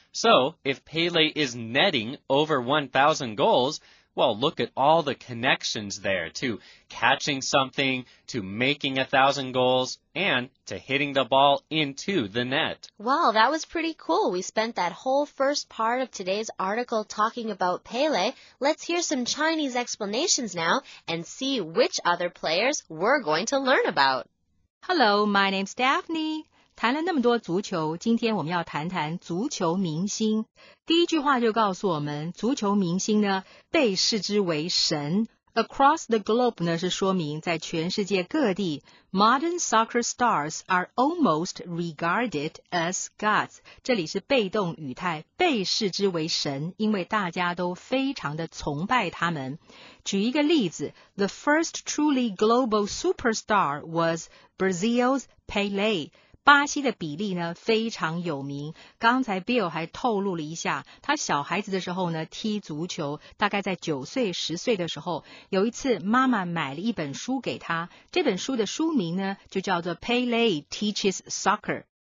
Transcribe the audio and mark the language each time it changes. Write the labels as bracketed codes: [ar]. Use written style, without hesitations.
[en] So, if Pele is netting over 1,000 goals, well, look at all the connections there to catching something, to making 1,000 goals, and to hitting the ball into the net. Wow, that was pretty cool. We spent that whole first part of today's article talking about Pele. Let's hear some Chinese explanations now and see which other players we're going to learn about. Hello, my name's Daphne. [zh] 谈了那么多足球，今天我们要谈谈足球明星。第一句话就告诉我们，足球明星呢，被视之为神。 [en] Across the globe [zh] 呢，是说明在全世界各地 [en] ,modern soccer stars are almost regarded as gods. [zh] 这里是被动语态，被视之为神，因为大家都非常的崇拜他们。举一个例子 [en] ,the first truly global superstar was Brazil's Pelé. [zh] 巴西的比利呢非常有名，刚才 Bill 还透露了一下，他小孩子的时候呢踢足球，大概在9岁10岁的时候，有一次妈妈买了一本书给他，这本书的书名呢就叫做 [en] Pele Teaches Soccer。